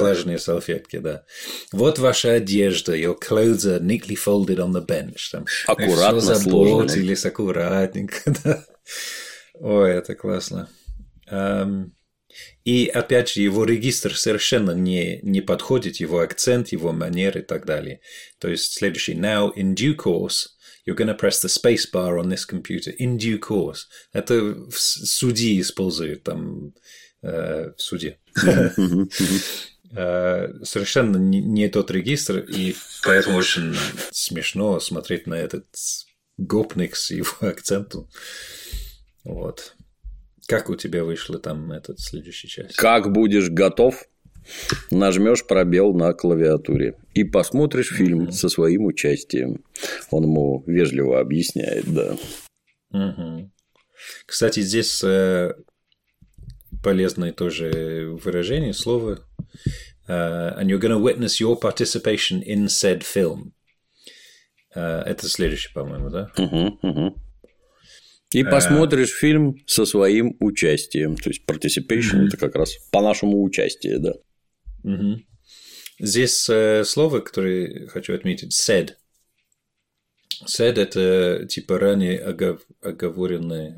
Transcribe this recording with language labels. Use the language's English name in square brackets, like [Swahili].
[Russian] Влажные салфетки, да. Вот ваша одежда, [English] your clothes are neatly folded on the bench. [Russian] Там, аккуратно сложены. Все заботились аккуратненько, да. Ой, это классно. И, опять же, его регистр совершенно не подходит, его акцент, его манеры и так далее. То есть, следующий. [English] Now, in due course, you're going to press the space bar on this computer. In due course. [Russian] Это в суде используют там, в суде. Совершенно не тот регистр, и поэтому очень смешно смотреть на этот гопник с его акцентом. Вот. Как у тебя вышла там эта следующая часть? Как будешь готов, нажмешь пробел на клавиатуре и посмотришь фильм со своим участием. Он ему вежливо объясняет, да. Кстати, здесь полезное тоже выражение, слово. [English] And you're going to witness your participation in said film. [Russian] Это следующее, по-моему, да? И посмотришь фильм со своим участием. То есть, participation – это как раз по-нашему участие, да. Здесь слово, которое хочу отметить – said. Said – это типа ранее оговоренное,